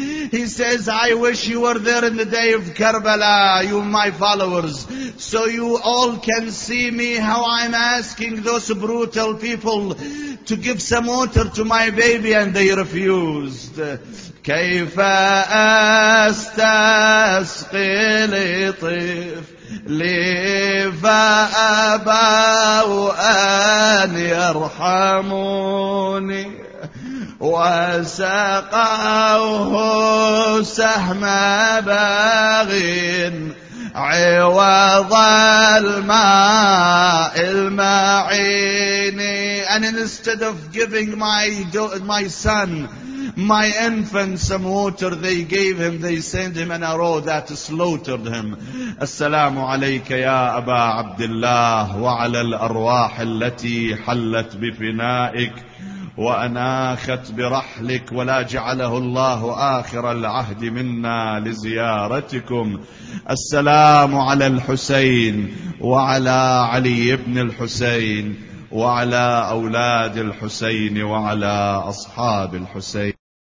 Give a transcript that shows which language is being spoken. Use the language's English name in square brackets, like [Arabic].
[English] He says, I wish you were there in the day of Karbala, you my followers, so you all can see me, how I'm asking those brutal people to give some water to my baby, and they refused. [Arabic] كيف أستسقي لطفلي فأبوا أن يرحموني. وسقاه سهم باغي عوض الماء المعين. [English] And instead of giving my son, my infant, some water, they gave him, they sent him an arrow that slaughtered him. [Arabic] As-salamu alayka ya Aba Abdullah wa ala al-arwah allati halat bifinaik وأناخت برحلك ولا جعله الله آخر العهد منا لزيارتكم. السلام على الحسين وعلى علي بن الحسين وعلى أولاد الحسين وعلى أصحاب الحسين.